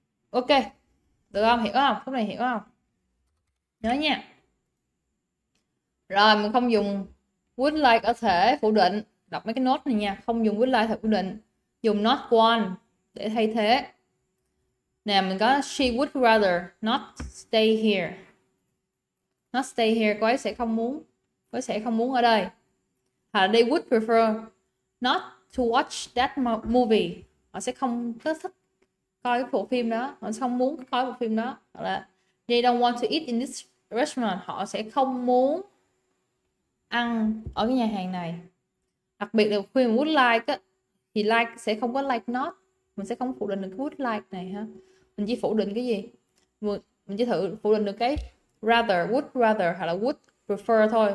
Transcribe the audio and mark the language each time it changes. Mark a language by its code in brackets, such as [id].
[vi] Ok. Được không? Hiểu không? Cái này hiểu không? Nhớ nha. Rồi, mình không dùng would like ở thể phủ định. Đọc mấy cái nốt này nha. Không dùng would like thể phủ định. Dùng not want để thay thế. Nè, mình có [en] she would rather not stay here. Not stay here, [vi] cô ấy sẽ không muốn ở đây. Hoặc là [en] they would prefer not to watch that movie. [vi] Họ sẽ không có thích coi cái bộ phim đó, họ sẽ không muốn coi bộ phim đó. Hoặc là [en] they don't want to eat in this restaurant. [vi] Họ sẽ không muốn ăn ở cái nhà hàng này. Đặc biệt là khi mình would like thì like sẽ không có like not. Mình sẽ không phủ định được cái would like này ha. Mình chỉ phủ định cái gì? Mình chỉ thử phủ định được cái rather, would rather hoặc là would prefer thôi.